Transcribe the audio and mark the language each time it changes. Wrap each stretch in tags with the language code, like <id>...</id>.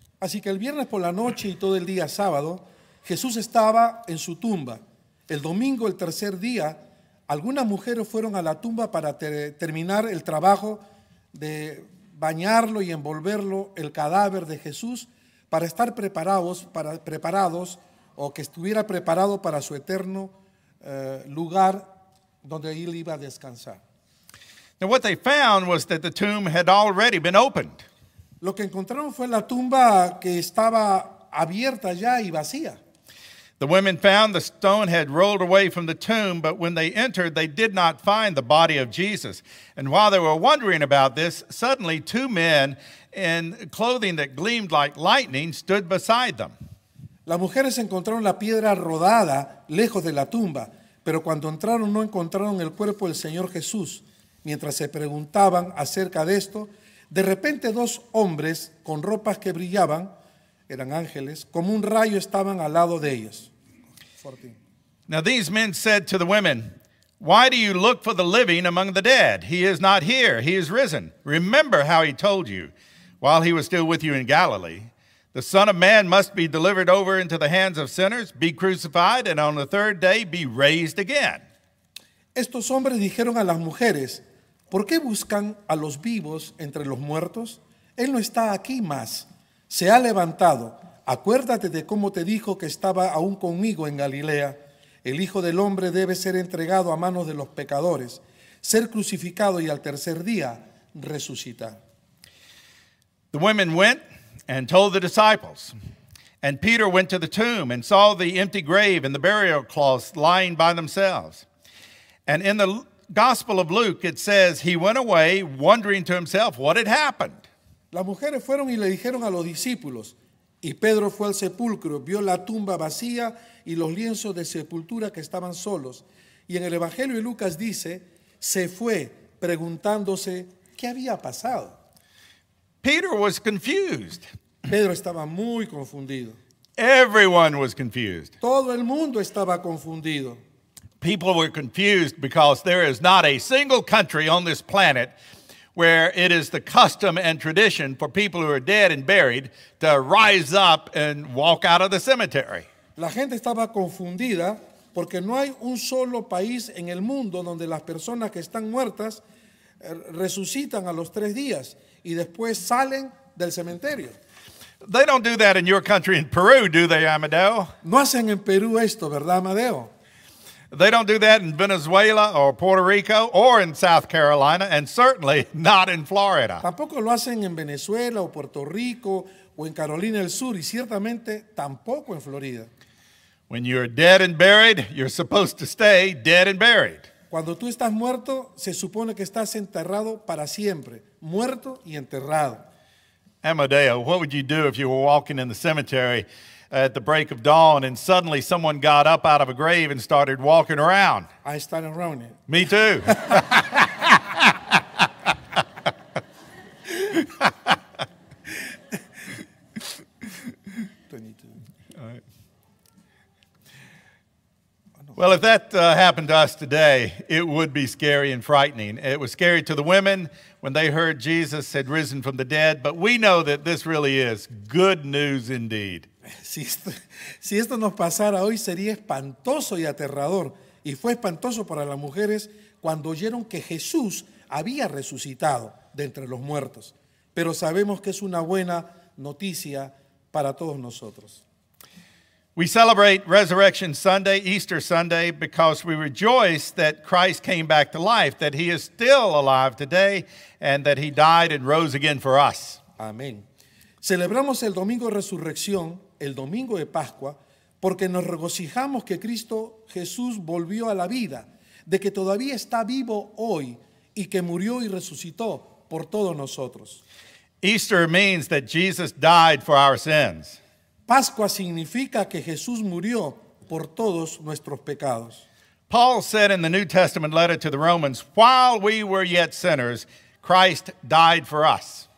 <es>Así que el viernes por la noche y todo el día sábado, Jesús estaba en su tumba. El domingo, el tercer día, algunas mujeres fueron a la tumba para terminar el trabajo de bañarlo y envolverlo, el cadáver de Jesús, para estar preparados, o que estuviera preparado para su eterno lugar donde él iba a descansar.</es> <en>Now what they found was that the tomb had already been opened.</en> <es>Lo que encontraron fue la tumba que estaba abierta ya y vacía.</es> <en>The women found the stone had rolled away from the tomb, but when they entered, they did not find the body of Jesus. And while they were wondering about this, suddenly two men in clothing that gleamed like lightning stood beside them.</en> <es>Las mujeres encontraron la piedra rodada lejos de la tumba, pero cuando entraron no encontraron el cuerpo del Señor Jesús. Mientras se preguntaban acerca de esto, de repente dos hombres con ropas que brillaban, eran ángeles, como un rayo estaban al lado de ellos. 14.</es> <en>Now these men said to the women, "Why do you look for the living among the dead? He is not here, he is risen. Remember how he told you while he was still with you in Galilee. The Son of Man must be delivered over into the hands of sinners, be crucified, and on the third day be raised again."</en> <es>Estos hombres dijeron a las mujeres, "¿Por qué buscan a los vivos entre los muertos? Él no está aquí más. Se ha levantado. Acuérdate de cómo te dijo que estaba aún conmigo en Galilea. El Hijo del Hombre debe ser entregado a manos de los pecadores, ser crucificado y al tercer día resucitar."</es> <en>The women went and told the disciples. And Peter went to the tomb and saw the empty grave and the burial cloths lying by themselves. And in the Gospel of Luke, it says, he went away wondering to himself what had happened.</en> <es>Las mujeres fueron y le dijeron a los discípulos, y Pedro fue al sepulcro, vio la tumba vacía y los lienzos de sepultura que estaban solos. Y en el Evangelio de Lucas dice, se fue preguntándose qué había pasado.</es> <en>Peter was confused.</en> <es>Pedro estaba muy confundido.</es> <en>Everyone was confused.</en> <es>Todo el mundo estaba confundido.</es> <en>People were confused because there is not a single country on this planet where it is the custom and tradition for people who are dead and buried to rise up and walk out of the cemetery.</en> <es>La gente estaba confundida porque no hay un solo país en el mundo donde las personas que están muertas resucitan a los tres días y después salen del cementerio.</es> <en>They don't do that in your country in Peru, do they, Amadeo?</en> <es>No hacen en Perú esto, ¿verdad, Amadeo?</es> <en>They don't do that in Venezuela or Puerto Rico or in South Carolina, and certainly not in Florida.</en> <es>Tampoco lo hacen en Venezuela o Puerto Rico o en Carolina del Sur, y ciertamente tampoco en Florida.</es> <en>When you're dead and buried, you're supposed to stay dead and buried.</en> <es>Cuando tú estás muerto, se supone que estás enterrado para siempre, muerto y enterrado.</es> <en>Amadeo, what would you do if you were walking in the cemetery at the break of dawn and suddenly someone got up out of a grave and started walking around? I started running. Me too. Well, if that happened to us today, it would be scary and frightening. It was scary to the women when they heard Jesus had risen from the dead, but we know that this really is good news indeed.</en> <es>Si esto nos pasara hoy, sería espantoso y aterrador. Y fue espantoso para las mujeres cuando oyeron que Jesús había resucitado de entre los muertos. Pero sabemos que es una buena noticia para todos nosotros.</es> <en>We celebrate Resurrection Sunday, Easter Sunday, because we rejoice that Christ came back to life, that he is still alive today, and that he died and rose again for us.</en> <es>Amén. Celebramos el Domingo de Resurrección, el Domingo de Pascua, porque nos regocijamos que Cristo Jesús volvió a la vida, de que todavía está vivo hoy y que murió y resucitó por todos nosotros.</es> <en>Easter means that Jesus died for our sins.</en> <es>Pascua significa que Jesús murió por todos nuestros pecados.</es> <en>Paul said in the New Testament letter to the Romans, "While we were yet sinners, Christ died for us."</en>